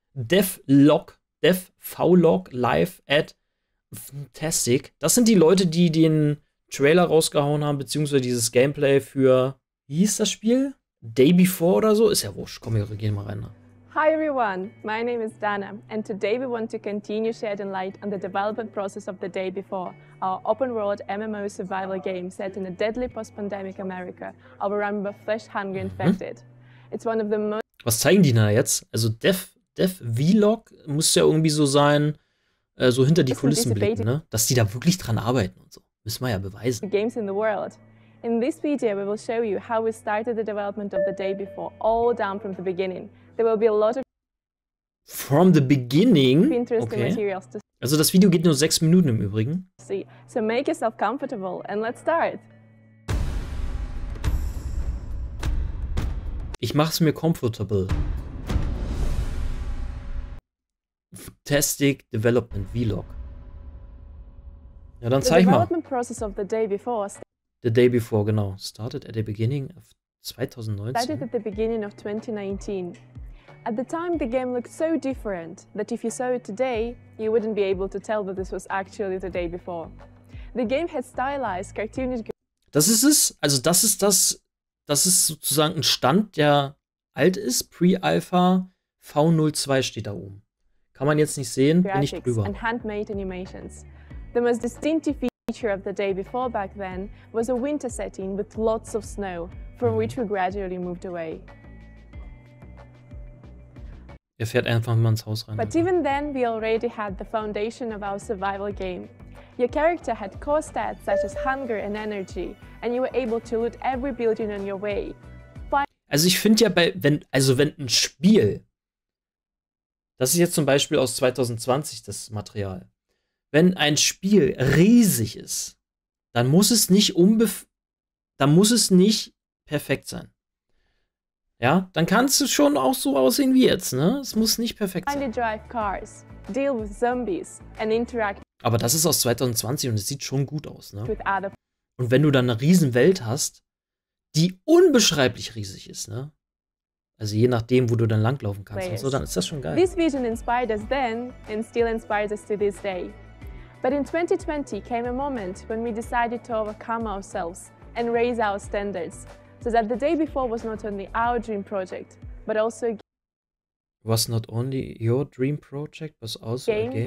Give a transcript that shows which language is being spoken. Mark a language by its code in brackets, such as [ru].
[en] Devlog, DevVlog live at Fntastic. [de] Das sind die Leute, die den Trailer rausgehauen haben, beziehungsweise dieses Gameplay für, wie hieß das Spiel? Day Before oder so? Ist ja wurscht. Komm, wir gehen mal rein. Ne? [en] Hi everyone, my name is Dana and today we want to continue shedding light on the development process of The Day Before, our open-world MMO survival game set in a deadly post-pandemic America overrun by flesh hunger infected. It's one of the most... [de] Was zeigen die da jetzt? Also Dev-Vlog muss ja irgendwie so sein, so hinter die Kulissen blicken, ne? Dass die da wirklich dran arbeiten und so. Müssen wir ja beweisen. [en] Games in the world. In this video we will show you how we started the development of The Day Before, all down from the beginning. There will be a lot of from the beginning. Okay. Materials to see. [de] Also das Video geht nur 6 Minuten im Übrigen. [en] See. So make yourself comfortable and let's start. [de] Ich mach's mir comfortable. Fntastic Development Vlog. Ja, dann zeig [en] the [de] mal. [en] Development process of the day before. The day before, genau. Started at the beginning of 2019. Started at the beginning of 2019. At the time, the game looked so different that if you saw it today, you wouldn't be able to tell that this was actually the day before. The game had stylized cartoonish. [de] Das ist es. Also das ist das. Das ist sozusagen ein Stand, der alt ist. Pre-Alpha V02 steht da oben. Kann man jetzt nicht sehen. Bin ich drüber. [en] And handmade animations. The most distinctive feature of the day before back then was a winter setting with lots of snow, from which we gradually moved away. [de] Er fährt einfach mal ins Haus rein. [en] But even then, we already had the foundation of our survival game. Your character had core stats such as hunger and energy, and you were able to loot every building on your way. [de] Also ich finde ja, wenn ein Spiel, das ist jetzt zum Beispiel aus 2020 das Material, wenn ein Spiel riesig ist, dann muss es nicht perfekt sein. Ja, dann kannst du schon auch so aussehen wie jetzt, ne? Es muss nicht perfekt sein. [en] Drive cars, deal with zombies, and interact. [de] Aber das ist aus 2020 und es sieht schon gut aus, ne? Und wenn du dann eine Riesenwelt hast, die unbeschreiblich riesig ist, ne? Also je nachdem, wo du dann langlaufen kannst und so, dann ist das schon geil. [en] This vision inspired us then and still inspires us to this day. But in 2020 came a moment when we decided to overcome ourselves and raise our standards. So that the day before was not only our dream project, but also a game. Was not only your dream project, but also a game